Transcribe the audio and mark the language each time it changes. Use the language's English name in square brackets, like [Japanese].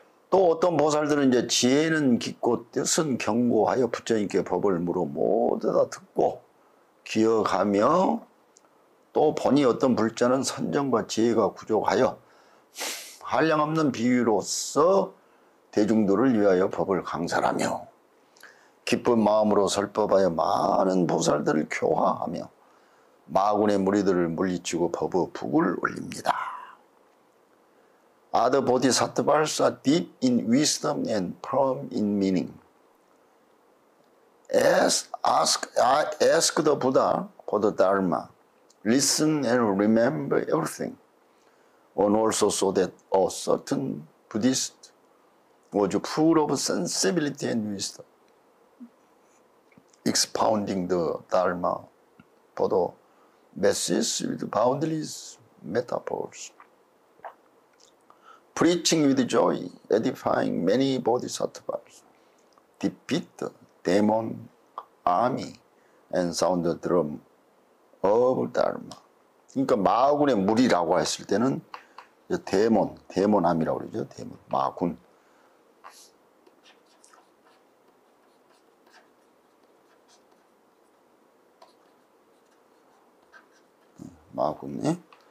[Korean] 또 어떤 보살들은 이제 지혜는 깊고 뜻은 견고하여 부처님께 법을 물어 모두 다 듣고 기억하며 또 보니 어떤 불자는 선정과 지혜가 구족하여 한량없는 비유로서 대중들을 위하여 법을 강설하며 기쁜 마음으로 설법하여 많은 보살들을 교화하며 마군의 무리들을 물리치고 법의 북을 올립니다. [English] Other bodhisattvas are deep in wisdom and firm in meaning. Ask the Buddha for the Dharma. Listen and remember everything. And also so that a certain Buddhist was full of sensibility and wisdom. Expounding the Dharma for the masses with boundless metaphors. Preaching with joy, edifying many bodhisattvas, defeat the demon army and sound the drum of Dharma. [Korean] 그러니까 마군의 무리라고 했을 때는 [English] 데몬 army [Korean] 라고 그러죠. 데몬, 마군. 마군이.